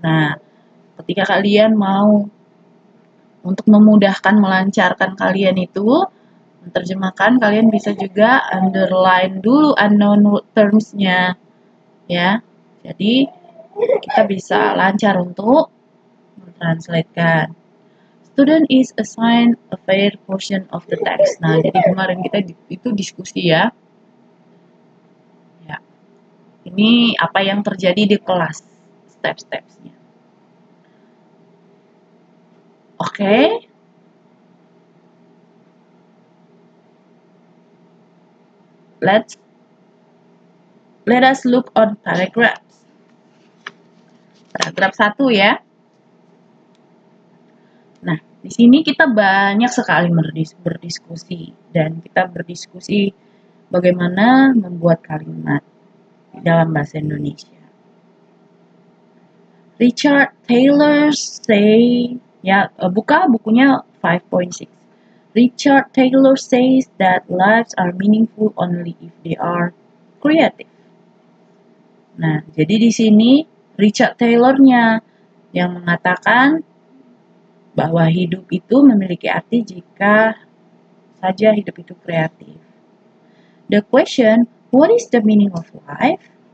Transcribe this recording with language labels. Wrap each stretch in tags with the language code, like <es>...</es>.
<id>Nah, ketika kalian mau untuk memudahkan, melancarkan kalian itu, menerjemahkan, kalian bisa juga underline dulu</id> <en>unknown terms-</en> <id>nya. Ya, jadi kita bisa lancar untuk mentranslatekan.</id> <en>Student is assigned a fair portion of the text.</en> <id>Nah, jadi kemarin kita itu diskusi ya. Ya. Ini apa yang terjadi di kelas, step-stepnya. Oke.</id> <en>Let us look on paragraphs. Paragraph 1 ya.</en> <id>Di sini kita banyak sekali berdiskusi dan kita berdiskusi bagaimana membuat kalimat dalam bahasa Indonesia. Richard Taylor say ya buka bukunya 5.6.</id> <en>Richard Taylor says that lives are meaningful only if they are creative.</en> <id>Nah, jadi di sini Richard Taylor-nya yang mengatakan bahwa hidup itu memiliki arti jika saja hidup itu kreatif.</id> <en>The question, what is the meaning of life?</en>